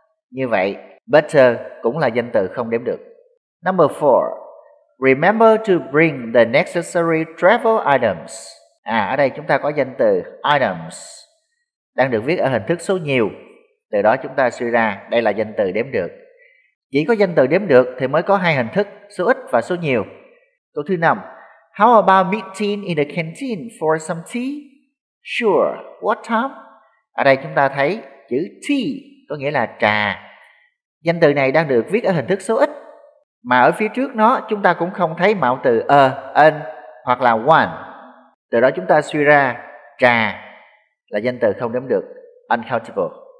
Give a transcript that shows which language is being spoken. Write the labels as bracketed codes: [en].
[vi] Như vậy butter cũng là danh từ không đếm được. [en] Number 4, remember to bring the necessary travel items. [vi] Ở đây chúng ta có danh từ items đang được viết ở hình thức số nhiều, từ đó chúng ta suy ra đây là danh từ đếm được. Chỉ có danh từ đếm được thì mới có hai hình thức, số ít và số nhiều. Câu thứ 5, [en] how about meeting in the canteen for some tea? Sure, what time? [vi] Ở đây chúng ta thấy chữ tea có nghĩa là trà. Danh từ này đang được viết ở hình thức số ít, mà ở phía trước nó chúng ta cũng không thấy mạo từ a, an hoặc là one. Từ đó chúng ta suy ra trà là danh từ không đếm được, uncountable.